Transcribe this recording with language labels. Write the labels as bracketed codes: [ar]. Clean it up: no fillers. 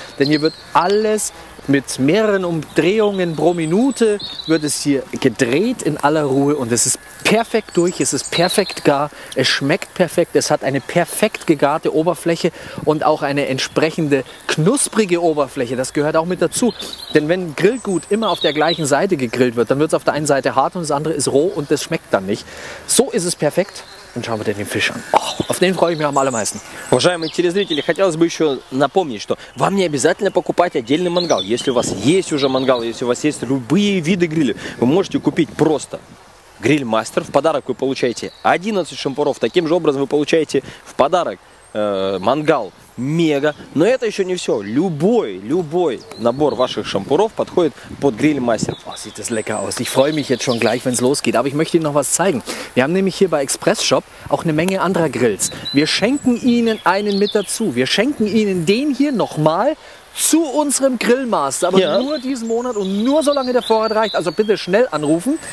[de] Denn hier wird alles mit mehreren Umdrehungen pro Minute wird es hier gedreht in aller Ruhe und es ist perfekt durch, es ist perfekt gar, es schmeckt perfekt, es hat eine perfekt gegarte Oberfläche und auch eine entsprechende knusprige Oberfläche, das gehört auch mit dazu. Denn wenn Grillgut immer auf der gleichen Seite gegrillt wird, dann wird es auf der einen Seite hart und das andere ist roh und das schmeckt dann nicht. So ist es perfekt. Und schauen wir den Fisch an. Oh, auf den freue ich mich am allermeisten. [ru] Уважаемые телезрители, хотелось бы еще напомнить, что вам не обязательно покупать отдельный мангал. Если у вас есть уже мангал, если у вас есть любые виды гриля, вы можете купить просто Grillmaster. В подарок вы получаете 11 шампуров. Таким же образом вы получаете в подарок мангал Мега. Но это еще не все. Любой набор ваших шампуров подходит под Grillmaster. [de] Oh, sieht das lecker aus. Ich freue mich jetzt schon gleich, wenn es losgeht. Aber ich möchte Ihnen noch was zeigen. Wir haben nämlich hier bei Express Shop auch eine Menge anderer Grills. Wir schenken Ihnen einen mit dazu. Wir schenken Ihnen den hier nochmal zu unserem Grillmaster. Aber nur diesen Monat und nur so lange der Vorrat reicht. Also bitte schnell anrufen.